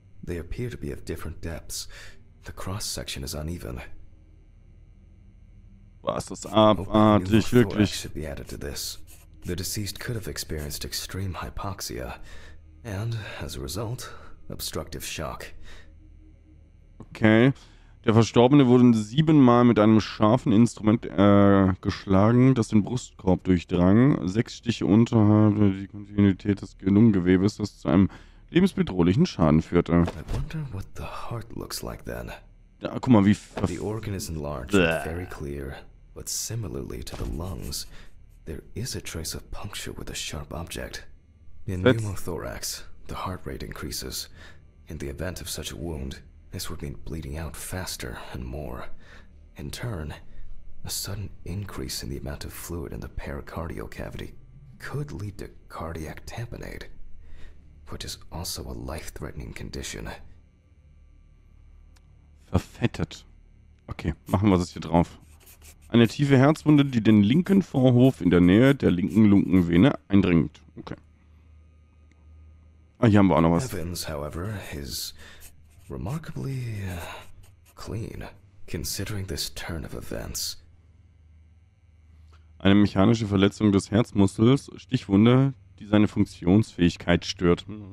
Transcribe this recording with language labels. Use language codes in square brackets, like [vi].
[en] They appear to be of different depths. The cross-section is uneven. [de] Was ist das abartig, wirklich? [en] Should be added to this. The deceased could have experienced extreme hypoxia and, as a result, obstructive shock. Okay. [de] Der Verstorbene wurde 7-mal mit einem scharfen Instrument geschlagen, das den Brustkorb durchdrang. 6 Stiche unterhalb die Kontinuität des Lungengewebes, das zu einem lebensbedrohlichen Schaden führte. [en] I wonder what the heart looks like then. [de] Ja, guck mal, wie [en] the organ is enlarged, but very clear. But similarly to the lungs, there is a trace of puncture with a sharp object. In pneumothorax, the heart rate increases. In the event of such a wound, this would mean bleeding out faster and more. In turn, a sudden increase in the amount of fluid in the pericardial cavity could lead to cardiac tamponade, which is also a life-threatening condition. [de] Verfettet. Okay, machen wir das hier drauf. Eine tiefe Herzwunde, die den linken Vorhof in der Nähe der linken Lungenvene eindringt. Okay. Ah, hier haben wir auch noch was. [en] Evans, however, is remarkably clean, considering this turn of events. [de] Eine mechanische Verletzung des Herzmuskels, Stichwunde, die seine Funktionsfähigkeit stört.